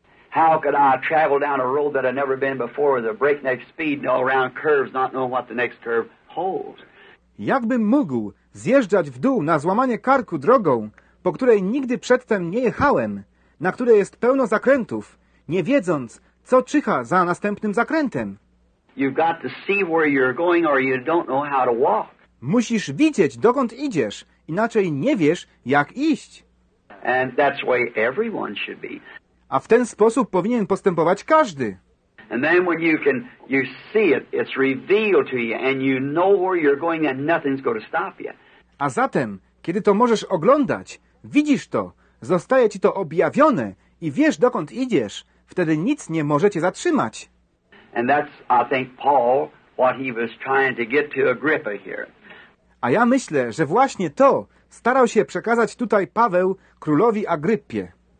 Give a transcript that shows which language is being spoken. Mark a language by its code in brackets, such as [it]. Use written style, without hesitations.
[en] How could I travel down a road that I've never been before with a breakneck speed and all around curves, not knowing what the next curve holds? [pl] Jakbym mógł zjeżdżać w dół na złamanie karku drogą, po której nigdy przedtem nie jechałem, na której jest pełno zakrętów, nie wiedząc, co czyha za następnym zakrętem? [en] You've got to see where you're going or you don't know how to walk. [pl] Musisz widzieć, dokąd idziesz, inaczej nie wiesz, jak iść. [en] And that's the way everyone should be. [pl] A w ten sposób powinien postępować każdy. [en] And then when you see it, it's revealed to you, and you know where you're going, and nothing's going to stop you. [pl] A zatem, kiedy to możesz oglądać, widzisz to, zostaje ci to objawione i wiesz, dokąd idziesz, wtedy nic nie może cię zatrzymać. [en] And that's, I think, Paul, what he was trying to get to Agrippa here. [pl] A ja myślę, że właśnie to starał się przekazać tutaj Paweł królowi Agryppie.